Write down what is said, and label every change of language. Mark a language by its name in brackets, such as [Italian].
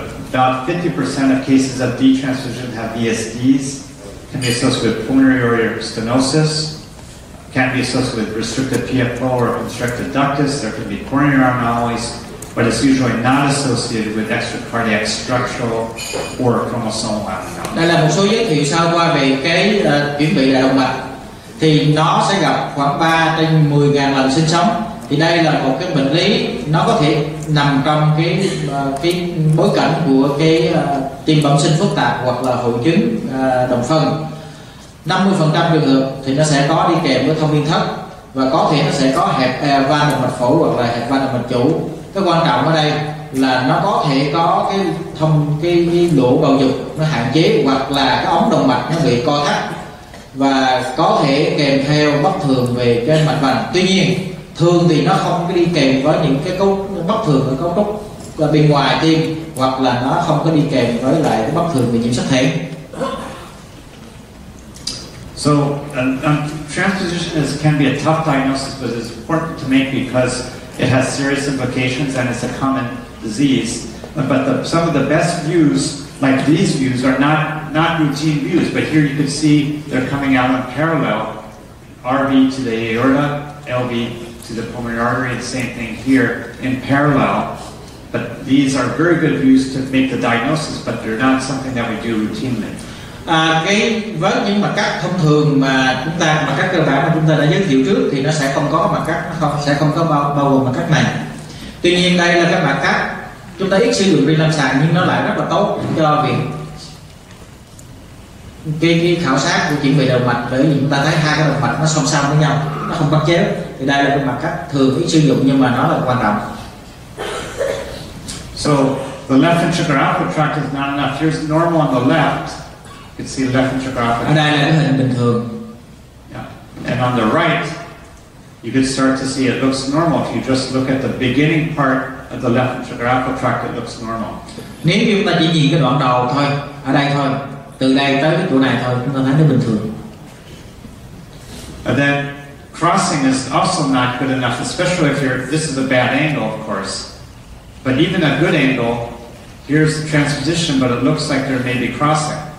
[English] About 50% of cases of detransposition have VSDs, can be associated with pulmonary aortic stenosis, can be associated with restricted PFO or constricted ductus, there can be coronary anomalies, but it's usually not associated with extracardiac structural or chromosomal abnormalities. [Vietnamese] Đây là một số giới thiệu sơ qua về cái chuyển vị đại động mạch. Thì nó sẽ gặp khoảng 3 trên 10.000 lần sinh sống. Thì đây là một cái bệnh lý nó có thể nằm trong cái bối cảnh của cái tim bẩm sinh phức tạp hoặc là hội chứng đồng phân. 50% trường hợp thì nó sẽ có đi kèm với thông minh thất, và có thể nó sẽ có hẹp van động mạch phổi hoặc là hẹp van động mạch chủ. Cái quan trọng ở đây là nó có thể có cái lỗ bầu dục nó hạn chế, hoặc là cái ống động mạch nó bị co thắt, và có thể kèm theo bất thường về cái mạch vành. Tuy nhiên thường thì nó không có đi kèm với những cái cấu bất thường ở cấu trúc là bên ngoài tim, hoặc là nó không có đi kèm với lại cái bất thường về nhiễm sắc thể. [English] So transposition can be a tough diagnosis, but it's important to make because it has serious implications and it's a common disease. But some of the best views, like these views, are not routine views. But here you can see they're coming out in parallel, RV to the aorta, LV to the pulmonary artery, and same thing here in parallel. But these are very good views to make the diagnosis, but they're not something that we do routinely. [Vietnamese] Với những mặt cắt thông thường mà chúng ta, mặt cắt cơ bản mà chúng ta đã giới thiệu trước, thì nó sẽ không có mặt cắt, sẽ không có bao gồm mặt cắt này. Tuy nhiên đây là các mặt cắt chúng ta ít sử dụng trên lâm sàng, nhưng nó lại rất là tốt cho việc cái khảo sát của chuyển vị động mạch, để chúng ta thấy hai cái động mạch nó song song với nhau, nó không bắt chéo. Thì đây là cái mặt cắt thường ít sử dụng nhưng mà nó là quan trọng. [English] So the left ventricular output tract is not enough. Here's normal on the left. You can see the left ventricular output. [Vietnamese] Ở đây là cái hình bình thường. [English] Yeah. And on the right, you can start to see it looks normal. If you just look at the beginning part of the left ventricular output tract, it looks normal. [Vietnamese] Nếu như chúng ta chỉ nhìn cái đoạn đầu thôi, ở đây thôi, từ đây tới cái chỗ này thôi, chúng ta thấy nó bình thường. [English] And then crossing is also not good enough, especially if you're, this is a bad angle, of course. But even a good angle, here's the transposition, but it looks like there may be crossing.